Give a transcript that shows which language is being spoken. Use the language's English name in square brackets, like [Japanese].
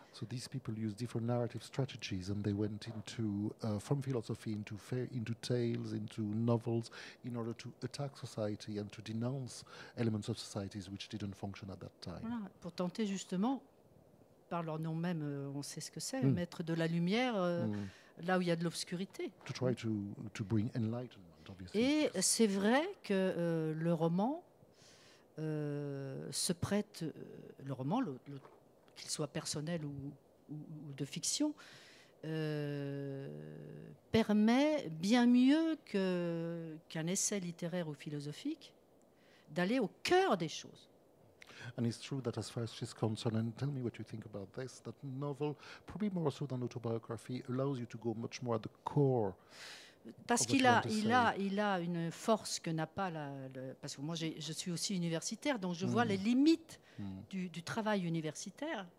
[English] So these people used different narrative strategies, and they went into from philosophy into tales, into novels, in order to attack society and to denounce elements of societies which didn't function at that time. [French] Voilà, pour tenter justement, par leur nom même, on sait ce que c'est, mettre de la lumière là où il y a de l'obscurité. [English] To try to bring enlightenment, obviously. [French] Et c'est vrai que le roman se prête, le roman, qu'il soit personnel ou de fiction, permet bien mieux qu'un essai littéraire ou philosophique d'aller au cœur des choses. [English] And it's true that as far as she's concerned, and tell me what you think about this, that novel, probably more so than autobiography, allows you to go much more at the core. [French] Parce qu'il a une force que n'a pas parce que moi je suis aussi universitaire, donc je vois les limites du travail universitaire.